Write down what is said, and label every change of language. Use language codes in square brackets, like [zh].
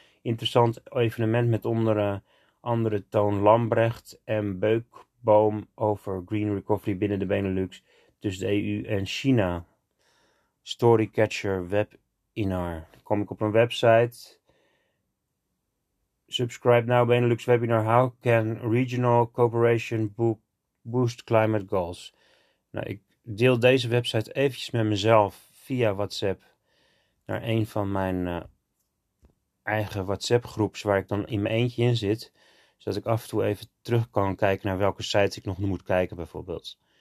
[nl] Interessant evenement met onder andere Toon Lambrecht en Beukboom over Green Recovery binnen de Benelux. tussen de EU en China. Storycatcher webinar. Dan kom ik op een website. [en] Subscribe now Benelux webinar. How can regional cooperation boost climate goals? [nl] Nou, ik deel deze website eventjes met mezelf via WhatsApp naar een van mijn eigen WhatsApp groeps waar ik dan in mijn eentje in zit. Zodat ik af en toe even terug kan kijken naar welke sites ik nog moet kijken bijvoorbeeld.